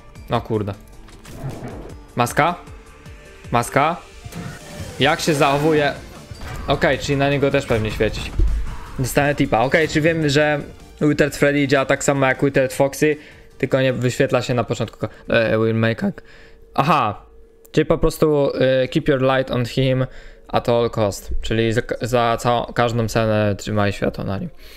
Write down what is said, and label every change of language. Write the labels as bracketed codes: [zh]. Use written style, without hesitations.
[pl] No kurde. Maska? Maska? Jak się zachowuje? Okej, czyli na niego też pewnie świecić. Dostanę tipa. Okej, czyli wiem, że Withered Freddy działa tak samo jak Withered Foxy, tylko nie wyświetla się na początku. [en] Will make a... Aha! [pl] Czyli po prostu [en] keep your light on him at all cost. [pl] Czyli za całą, każdą cenę trzymaj światło na nim.